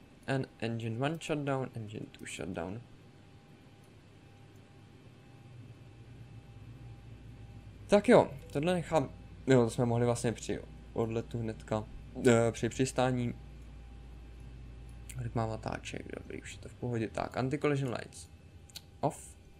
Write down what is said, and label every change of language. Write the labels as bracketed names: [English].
[English] And engine 1 shutdown, engine 2 shutdown. [Czech] Tak jo, tohle nechám, jo, to jsme mohli vlastně při odletu hnedka při přistání. Tak mám otáček, dobrý, už je to v pohodě. [English] Tak, anti-collision lights off.